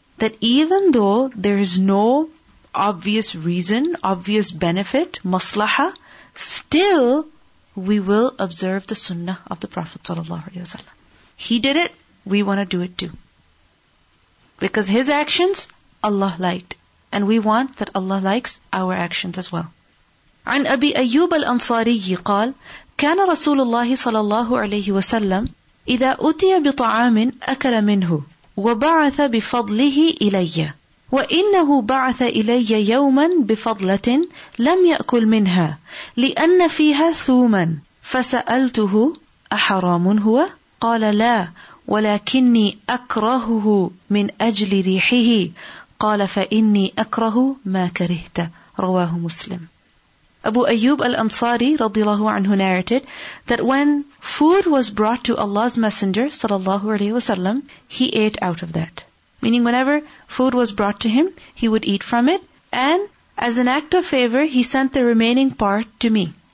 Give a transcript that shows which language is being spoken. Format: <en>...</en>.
<en>That even though there is no obvious reason, obvious benefit, maslaha, still we will observe the sunnah of the Prophet ﷺ. He did it, we want to do it too. Because his actions, Allah liked. And we want that Allah likes our actions as well.</en> <ar>عن أبي أيوب الأنصاري قال كان رسول الله صلى الله عليه وسلم إذا أتي بطعام أكل منه وبعث بفضله إلي وإنه بعث إلي يوما بفضلة لم يأكل منها لأن فيها ثوما فسألته أحرام هو؟ قال لا ولكني أكرهه من أجل ريحه قال فإني أكره ما كرهت رواه مسلم.</ar> <en>Abu Ayyub al-Ansari radiallahu anhu narrated that when food was brought to Allah's Messenger sallallahu alaihi wasallam, he ate out of that. Meaning whenever food was brought to him, he would eat from it. And as an act of favor, he sent the remaining part to me.</en>